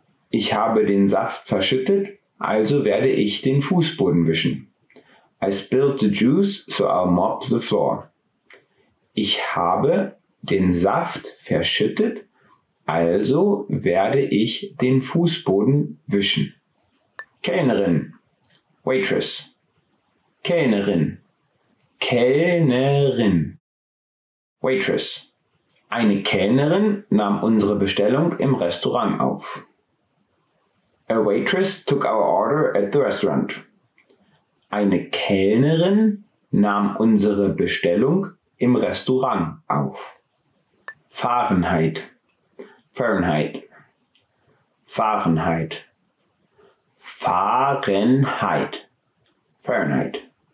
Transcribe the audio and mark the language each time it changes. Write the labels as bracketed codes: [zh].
[de] Ich habe den Saft verschüttet, also werde ich den Fußboden wischen. [en] I spilled the juice, so I'll mop the floor. [de] Ich habe den Saft verschüttet, also werde ich den Fußboden wischen. Kellnerin. Waitress. Kellnerin. Kellnerin. Waitress. Eine Kellnerin nahm unsere Bestellung im Restaurant auf. [en] A waitress took our order at the restaurant. [de] Eine Kellnerin nahm unsere Bestellung im Restaurant auf. Fahrenheit. Fahrenheit. Fahrenheit. Fahrenheit. Fahrenheit.